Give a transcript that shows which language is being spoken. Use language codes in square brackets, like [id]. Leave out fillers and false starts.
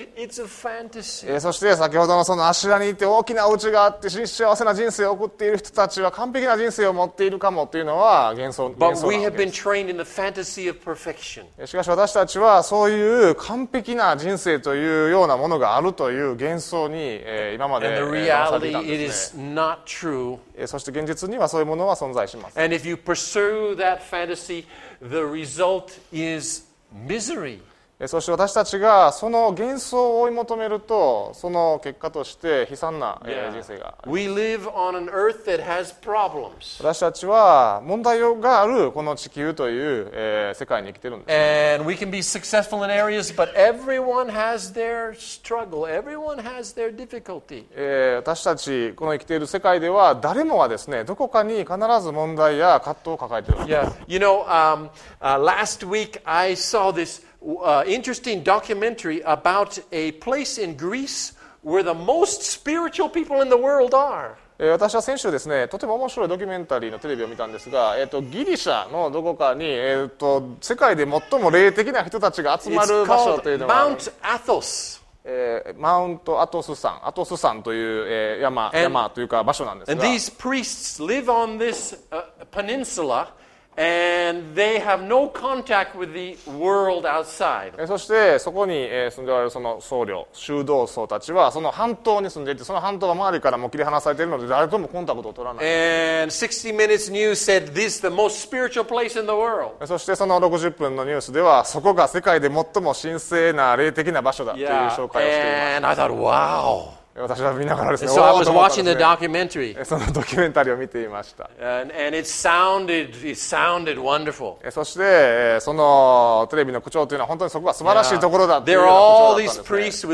[en] It's a fantasy. [ja] そして先ほどのそのアシラにいて大きなお家があって幸せな人生を送っている人たちは完璧な人生を持っているかもというのは幻想なわけです。 [en] But we have been trained in the fantasy of perfection. [ja] しかし私たちはそういう完璧な人生というようなものがあるという幻想に今まで騙されていたんですね。 [en] And the reality it is not true. [ja] そして現実にはそういうものは存在します。 [en] And if you pursue that fantasy, the result is misery. [ja] そして私たちがその幻想を追い求めると、その結果として悲惨な人生があります。 [en] Yeah. We live on an earth that has problems. [ja] 私たちは問題があるこの地球という世界に生きているんです。 [en] And we can be successful in areas, but everyone has their struggle. Everyone has their difficulty. [ja] 私たちこの生きている世界では誰もはですね、どこかに必ず問題や葛藤を抱えているんです。 [en] Yeah. You know, last week I saw this. Interesting documentary about a place in Greece where the most spiritual people in the world are. [ja] 私は先週ですね、とても面白いドキュメンタリーのテレビを見たんですが、ギリシャのどこかに、世界で最も霊的な人たちが集まる場所というのがある。 [en] Mount Athos. [ja] マウントアトス山、アトス山という、山というか場所なんですが。 [en] And these priests live on this, peninsula. And they have no contact with the world outside. [ja] そしてそこに住んでおられるその僧侶、修道僧たちはその半島に住んでいて、その半島は周りからも切り離されているので誰ともコンタクトを取らない。 [en] And 60 Minutes News said this the most spiritual place in the world. [ja] そしてその60分のニュースではそこが世界で最も神聖な霊的な場所だという紹介をしています。 [en] Yeah. And I thought, wow. [ja] 私は見ながらですね、 [en] so I was watching the documentary. [ja] そのドキュメンタリーを見ていました。 [en] And it sounded wonderful. [ja] そしてそのテレビの口調というのは本当にそこは素晴らしいところだっていうような口調だったんですね。